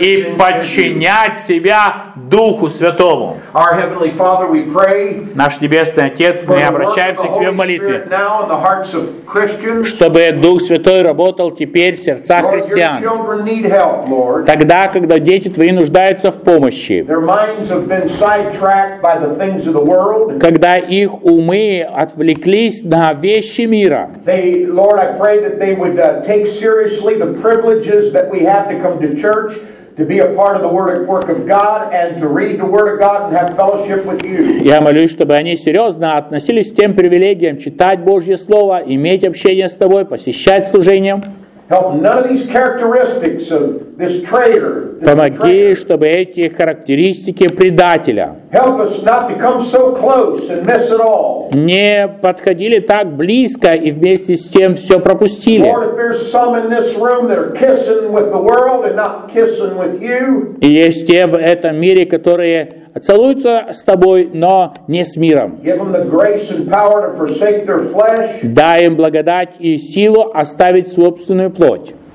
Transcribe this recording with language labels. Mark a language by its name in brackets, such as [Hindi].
[Russian] и подчинять себя Духу Святому. [English] Our Heavenly Father, we pray, [Russian] наш Небесный Отец, мы обращаемся к Тебе в молитве, [English] now in the hearts of Christians, [Russian] чтобы Дух Святой работал теперь в сердцах [English] Lord, [Russian] христиан. [English] Your children need help, Lord. [Russian] Тогда, когда дети Твои нуждаются в помощи, [English] their minds have been sidetracked by the things of the world, [Russian] когда их умы отвлеклись на вещи мира. [English] Lord, I pray that they would take seriously the privileges that we have to come to church, to be a part of the work of God, and to read the Word of God and have fellowship with you. [Russian] Я молюсь, чтобы они серьезно относились к тем привилегиям читать Божье Слово, иметь общение с Тобой, посещать служение. [English] Help none of these characteristics of this traitor. [Russian] Помоги, чтобы эти характеристики предателя. [English] Help us not to come so close and miss it all. [Russian] Не подходили так близко и вместе с тем все пропустили. [English] Lord, if there's some in this room that are kissing with the world and not kissing with you. [Russian] И есть те в этом мире, которые целуются с тобой, но не с миром. Дай им благодать и силу оставить собственную плоть.